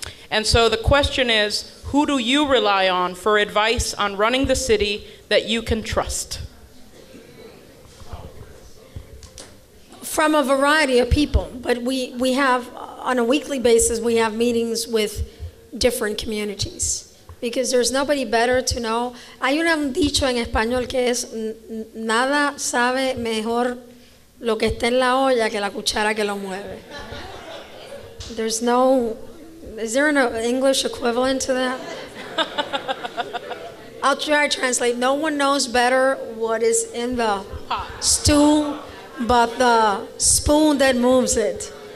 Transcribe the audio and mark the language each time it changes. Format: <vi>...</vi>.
<en>And so the question is, who do you rely on for advice on running the city that you can trust? From a variety of people, but we have, on a weekly basis, we have meetings with different communities. Because there's nobody better to know.</en> <es>Hay un dicho en español que es nada sabe mejor lo que está en la olla que la cuchara que lo mueve.</es> <en>There's no, is there an English equivalent to that? I'll try to translate. No one knows better what is in the hot stew but the spoon that moves it.</en>